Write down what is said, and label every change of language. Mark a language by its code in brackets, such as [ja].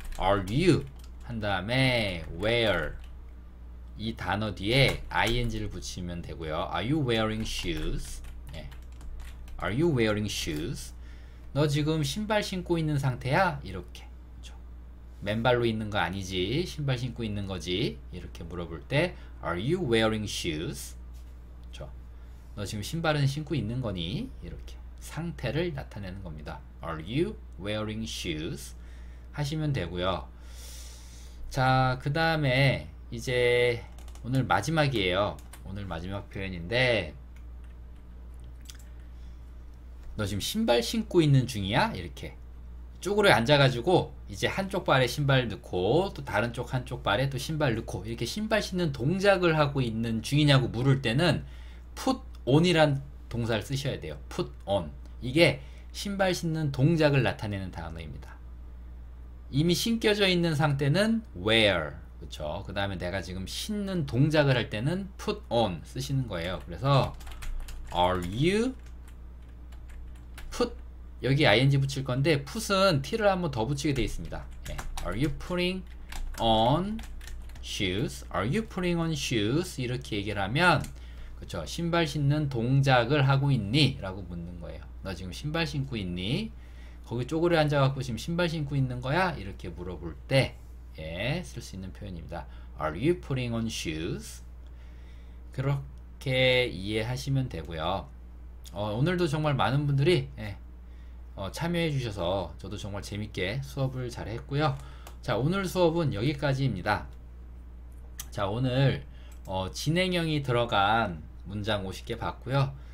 [en] Are you? [ko] 한 다음에 where 이 단어 뒤에 ing를 붙이면 되고요. [en] Are you wearing shoes? [ko] 네. [en] Are you wearing shoes? [ko] 너 지금 신발 신고 있는 상태야? 이렇게. 맨발로 있는 거 아니지? 신발 신고 있는 거지? 이렇게 물어볼 때, [en] Are you wearing shoes? [ko] 너 지금 신발은 신고 있는 거니? 이렇게 상태를 나타내는 겁니다. [en] Are you wearing shoes? [ko] 하시면 되고요. 자, 그 다음에 이제 오늘 마지막이에요. 오늘 마지막 표현인데, 너 지금 신발 신고 있는 중이야? 이렇게. 쪼그려 앉아가지고, 이제 한쪽 발에 신발 넣고, 또 다른 쪽 한쪽 발에 또 신발 넣고, 이렇게 신발 신는 동작을 하고 있는 중이냐고 물을 때는, put on이란 동사를 쓰셔야 돼요. [en] put on. [ko] 이게 신발 신는 동작을 나타내는 단어입니다. 이미 신겨져 있는 상태는 wear. 그쵸? 그 다음에 내가 지금 신는 동작을 할 때는 put on 쓰시는 거예요. 그래서, are you put 여기 ing 붙일 건데, put은 t를 한번 더 붙이게 돼 있습니다. 예. [en] Are you putting on shoes? Are you putting on shoes? [ko] 이렇게 얘기를 하면, 그쵸. 신발 신는 동작을 하고 있니? 라고 묻는 거예요. 너 지금 신발 신고 있니? 거기 쪼그려 앉아갖고 지금 신발 신고 있는 거야? 이렇게 물어볼 때, 예, 쓸수 있는 표현입니다. [en] Are you putting on shoes? [ko] 그렇게 이해하시면 되고요. 오늘도 정말 많은 분들이, 예. 참여해 주셔서 저도 정말 재밌게 수업을 잘 했고요. 자, 오늘 수업은 여기까지입니다. 자, 오늘 진행형이 들어간 문장 50개 봤고요.